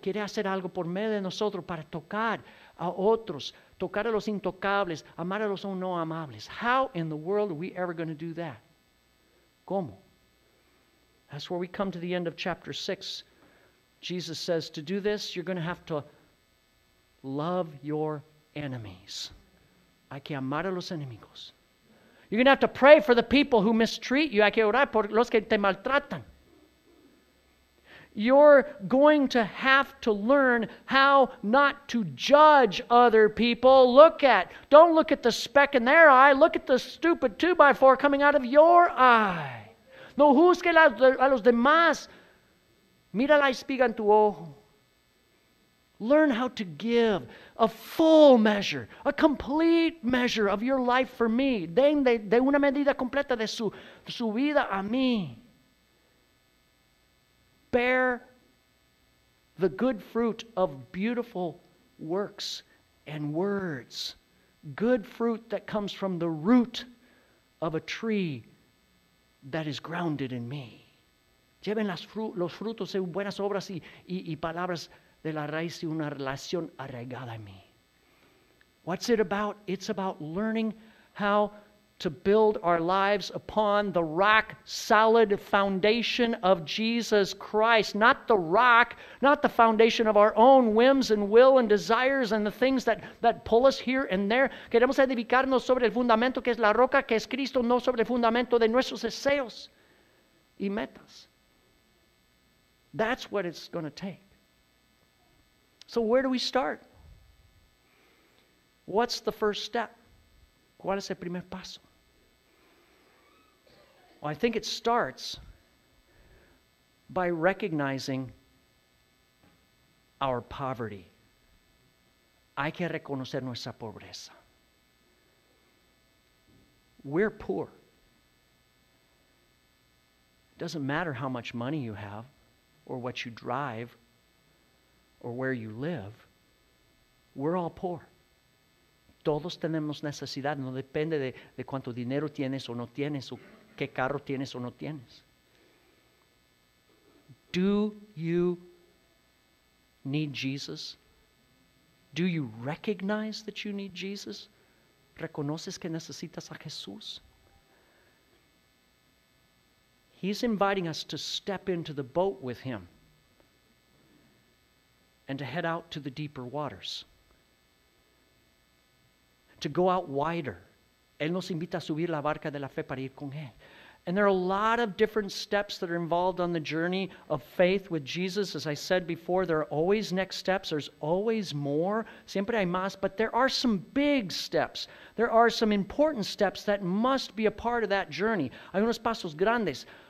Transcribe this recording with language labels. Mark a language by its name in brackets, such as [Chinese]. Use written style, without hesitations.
[Spanish] Quiere hacer algo por medio de nosotros para tocar a otros, tocar a los intocables, amar a los no amables. [English] How in the world are we ever going to do that? [Spanish] ¿Cómo? [English] That's where we come to the end of chapter 6. Jesus says, to do this, you're going to have to love your enemies. [Spanish] Hay que amar a los enemigos. [English] You're going to have to pray for the people who mistreat you. [Spanish] Hay que orar por los que te maltratan. [English] You're going to have to learn how not to judge other people. Don't look at the speck in their eye. Look at the stupid 2x4 coming out of your eye. [Spanish] No juzgue a los demás. Mira la espiga en tu ojo. [English] Learn how to give a full measure, a complete measure of your life for me. [Spanish] Den de una medida completa de su vida a mí. Bear [English] the good fruit of beautiful works and words. Good fruit that comes from the root of a tree that is grounded in me. [Spanish] Lleven los frutos de buenas obras y palabras de la raíz y una relación arraigada en mí. [English] What's it about? It's about learning how to build our lives upon the rock solid foundation of Jesus Christ. Not the rock, not the foundation of our own whims and will and desires and the things that pull us here and there. [Spanish] Queremos edificarnos sobre el fundamento que es la roca, que es Cristo, no sobre el fundamento de nuestros deseos y metas. [English] That's what it's going to take. So where do we start? What's the first step? [Spanish] ¿Cuál es el primer paso? [English] Well, I think it starts by recognizing our poverty. [Spanish] Hay que reconocer nuestra pobreza. [English] We're poor. It doesn't matter how much money you have, or what you drive, or where you live. We're all poor. [Spanish] Todos tenemos necesidad. No depende de cuánto dinero tienes o no tienes, o qué carro tienes o no tienes. [English] Do you need Jesus? Do you recognize that you need Jesus? [Spanish] ¿Reconoces que necesitas a Jesús? [English] He's inviting us to step into the boat with him and to head out to the deeper waters, to go out wider. [Spanish] Él nos invita a subir la barca de la fe para ir con él. [English] And there are a lot of different steps that are involved on the journey of faith with Jesus. As I said before, there are always next steps. There's always more. [Spanish] Siempre hay más. [English] But there are some big steps. There are some important steps that must be a part of that journey. [Spanish] Hay unos pasos grandes.